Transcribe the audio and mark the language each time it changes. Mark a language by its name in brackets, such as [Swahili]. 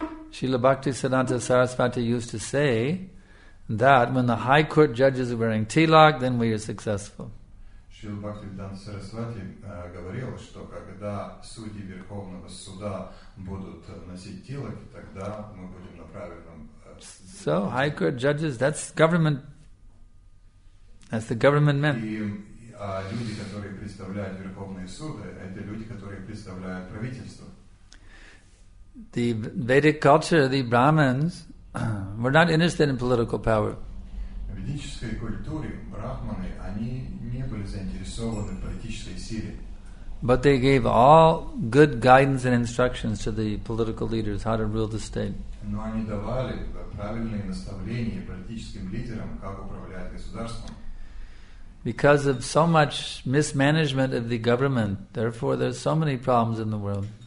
[English] Srila Bhakti Siddhanta Sarasvati used to say that when the high court judges are wearing tilak, then we are successful. [Russian] Шрила Бхактивиданта Сарасвати говорил, что когда судьи Верховного Суда будут носить тилак, тогда мы будем на правильном... [English] So, high court judges, that's government. That's the government men. [Russian] А люди, которые представляют Верховные Суды, это люди, которые представляют правительство. [English] The Vedic culture, the Brahmins, we're not interested in political power. [Russian] В ведической культуре брахманы, они не были заинтересованы в политической силе. [English] But they gave all good guidance and instructions to the political leaders how to rule the state. [Russian] Но они давали правильные наставления политическим лидерам, как управлять государством. [English] Because of so much mismanagement of the government, therefore there's so many problems in the world.